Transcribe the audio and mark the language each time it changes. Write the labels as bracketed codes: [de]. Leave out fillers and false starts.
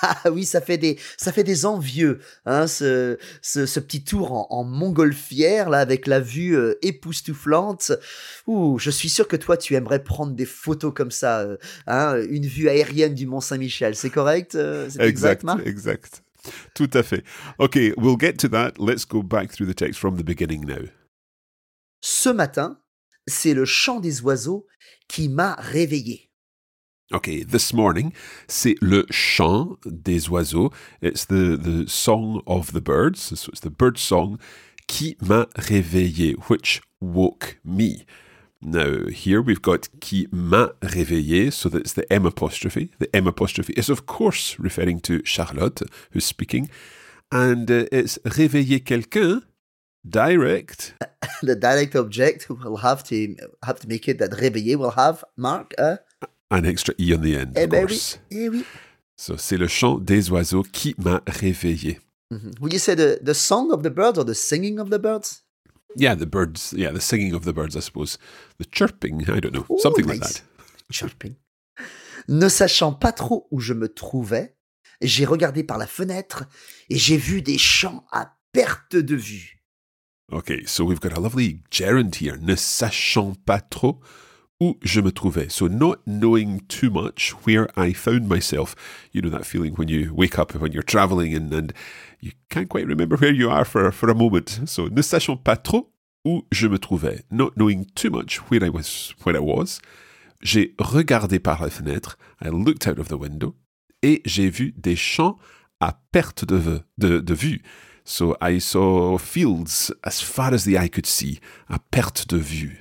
[fr] Oui, ça fait des envieux, hein, ce petit tour en montgolfière là avec la vue époustouflante. Ouh, je suis sûr que toi tu aimerais prendre des photos comme ça, hein, une vue aérienne du Mont-Saint-Michel, c'est correct, c'est exact, Marc? Exact. Tout à fait. [en] OK, we'll get to that. Let's go back through the text from the beginning now. [fr] Ce matin, C'est le chant des oiseaux qui m'a réveillé. [en] OK, this morning, [fr] c'est le chant des oiseaux. [en] It's the song of the birds. So it's the bird song [fr] qui m'a réveillé, [en] which woke me. Now, here we've got [fr] qui m'a réveillé, [en] so that's the M apostrophe. The M apostrophe is, of course, referring to Charlotte, who's speaking. And it's [fr] réveiller quelqu'un, [en] direct. The direct object will have to make it that réveiller will have, Mark, an extra E on the end, of course. [fr] Eh oui. So, c'est le chant des oiseaux qui m'a réveillé. Mm-hmm. [en] Would you say the song of the birds or the singing of the birds? Yeah, the birds. Yeah, the singing of the birds, I suppose. The chirping, I don't know. Ooh, something nice. Like that. Chirping. [fr] Ne sachant pas trop où je me trouvais, j'ai regardé par la fenêtre et j'ai vu des champs à perte de vue. [en] Okay, so we've got a lovely gerund here. [fr] Ne sachant pas trop où je me trouvais. [en] So not knowing too much where I found myself. You know that feeling when you wake up, when you're traveling and you can't quite remember where you are for a moment. So [fr] ne sachant pas trop où je me trouvais. [en] Not knowing too much where I was. [fr] J'ai regardé par la fenêtre. [en] I looked out of the window. [fr] Et j'ai vu des champs à perte de vue. [en] So I saw fields as far as the eye could see, [fr] à perte de vue.